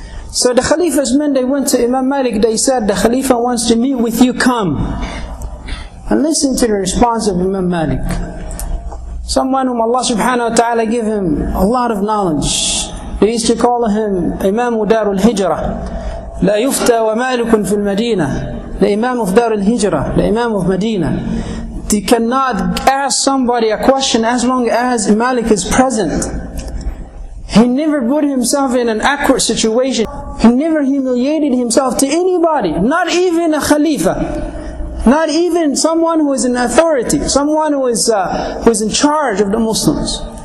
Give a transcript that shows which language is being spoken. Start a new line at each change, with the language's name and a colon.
English: So the Khalifa's men, they went to Imam Malik, they said, the Khalifa wants to meet with you, come. And listen to the response of Imam Malik. Someone whom Allah subhanahu wa ta'ala gave him a lot of knowledge. They used to call him Imam Darul Hijrah.
Arabic: لا يفتى ومالك في المدينة لإمام في دار الهجرة لإمام في مدينة.
English: You cannot ask somebody a question as long as Malik is present. He never put himself in an awkward situation. He never humiliated himself to anybody, not even a Khalifa, not even someone who is in authority, someone who is in charge of the Muslims.